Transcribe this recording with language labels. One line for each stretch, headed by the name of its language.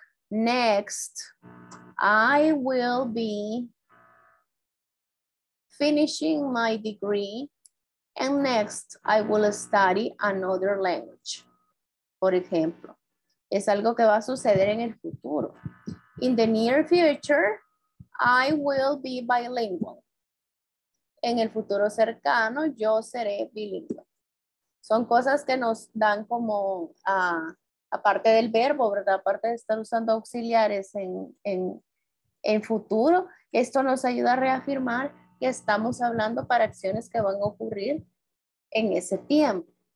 English: Next, I will be finishing my degree, and next, I will study another language,
Spanish: por ejemplo. Es algo que va a suceder en el futuro.
English: In the near future, I will be bilingual.
Spanish: En el futuro cercano, yo seré bilingüe. Son cosas que nos dan como, aparte del verbo, ¿verdad? Aparte de estar usando auxiliares en futuro, esto nos ayuda a reafirmar que estamos hablando para acciones que van a ocurrir en ese tiempo.